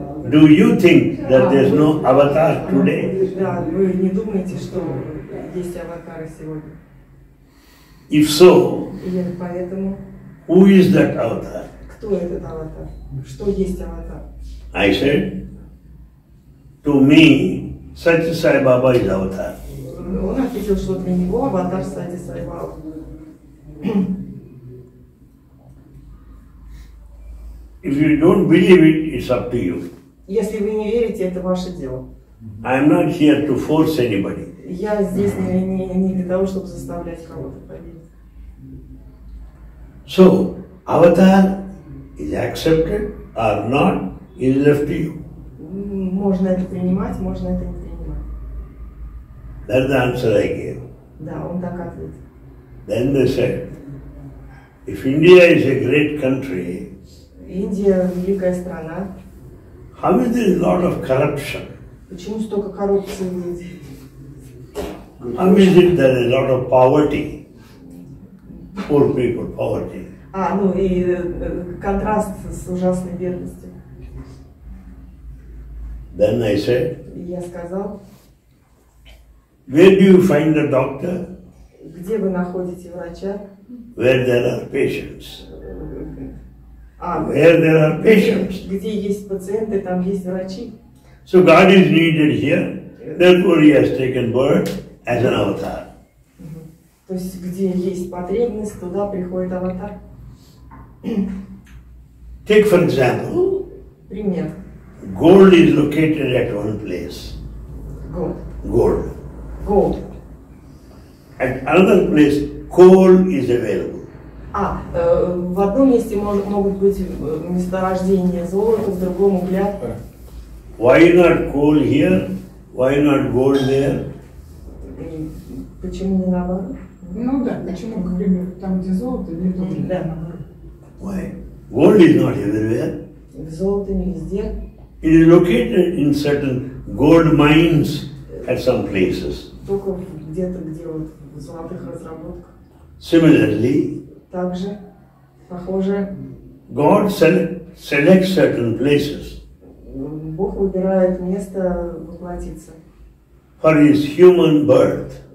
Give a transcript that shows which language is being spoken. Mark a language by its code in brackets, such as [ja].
[en] Do you think that there's no avatar today? [ru] Да, вы не думаете, что есть аватары сегодня? [en] If so, [ru] поэтому, [en] who is that avatar? [ru] Кто этот аватар? Что есть аватар? [en] I said, to me, Сати Сай Баба из аватар. [ru] Он ответил, что для него аватар Сати Сай Баба. [en] If you don't believe it, it's up to you. [ru] Если вы не верите, это ваше дело. [en] I'm not here to force anybody. [ru] Я здесь не для того, чтобы заставлять кого-то поверить. [en] So, аватар is accepted or not, is left to you. [ru] Можно это принимать, можно это не принимать. [en] That's the answer I gave. [ru] Да, он так ответил. [en] Then they said, if India is a great country, [ru] Индия великая страна, [en] How is there a lot of corruption? [ru] Почему столько коррупции? [en] How is it there a lot of poverty? Poor people, poverty. [ru] А, ну и контраст с ужасной бедностью. [en] Then I said. [ru] Я сказал. [en] Where do you find a doctor? [ru] Где вы находите врача? [en] Where there are patients. Where there are patients. [ru] Где есть пациенты, там есть врачи. [en] So God is needed here. Therefore he has taken birth as an avatar. [ru] То есть где есть потребность, туда приходит аватар. [en] Take for example. [ru] Пример. [en] Gold is located at one place. Gold. Gold. At another place, coal is available. [ru] А, в одном месте могут быть месторождения золота, в другом угля. [en] Why not coal here? Why not gold there? [ru] Почему не наоборот? Ну да, почему, к примеру, там, где золото, не то, где наоборот. [en] Why? Gold is not everywhere. [ru] Золото не везде. [en] It is located in certain gold mines at some places. [ru] Только где-то, где вот в золотых разработках. [en] Similarly, [ru] также, похоже, [en] God selects certain places. [ru] Бог выбирает место воплотиться. [en] For his human birth.